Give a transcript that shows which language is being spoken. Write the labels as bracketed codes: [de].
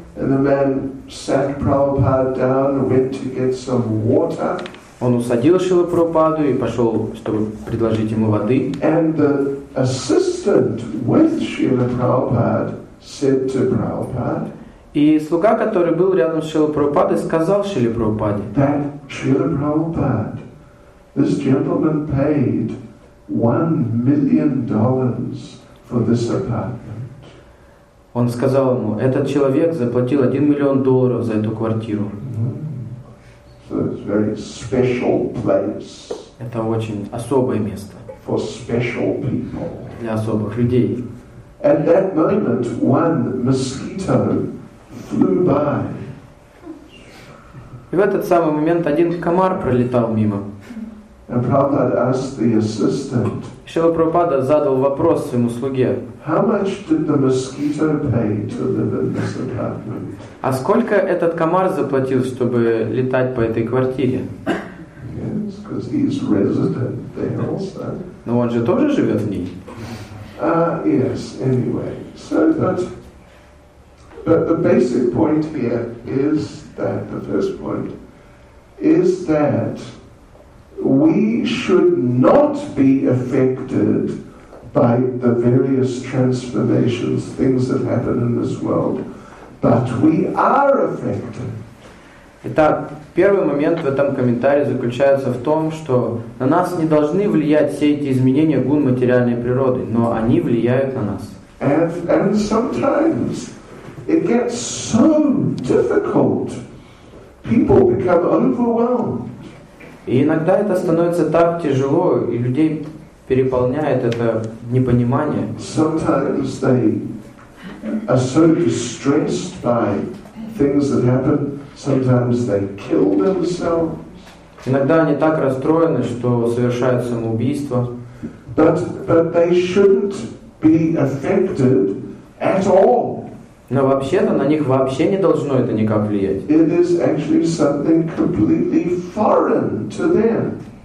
[en] And the man sat Prabhupada down and went to get some water. [ru] Он усадил Шрилу Прабхупаду и пошел, чтобы предложить ему воды. [en] And the assistant with Srila Prabhupada said to Prabhupada. [ru] И слуга, который был рядом с Шрилой Прабхупадой, сказал Шриле Прабхупаде. [en] That Srila Prabhupada, this gentleman paid $1 million for this apartment. [ru] Он сказал ему, этот человек заплатил $1 million за эту квартиру. [en] So it's a very special place. [ru] Это очень особое место. [en] For special people. [ru] Для особых людей. [en] At that moment, one mosquito flew by. [ru] И в этот самый момент один комар пролетал мимо. [en] And Prabhupada asked the assistant. [ru] Шрила Прабхупада задал вопрос своему слуге. [en] How much did the mosquito pay to live in this apartment? [ru] А сколько этот комар заплатил, чтобы летать по этой квартире? [en] Yes, because he's resident there also. [ru] Но он же тоже живет в ней. [en] Yes, anyway. So but the basic point here is that, the first point, is that we should not be affected by the various transformations, things that happen in this world, but we are affected. [ru] Итак, первый момент в этом комментарии заключается в том, что на нас не должны влиять все эти изменения гун материальной природы, но они влияют на нас. [en] And sometimes it gets so difficult. People become overwhelmed. [ru] И иногда это становится так тяжело, и людей переполняет это непонимание. [en] Sometimes they are so distressed by things that happen. Sometimes they kill themselves. [ru] Иногда они так расстроены, что совершают самоубийство. [en] But they shouldn't be affected at all. [ru] Но вообще-то на них вообще не должно это никак влиять. [en] It is actually something completely foreign to them.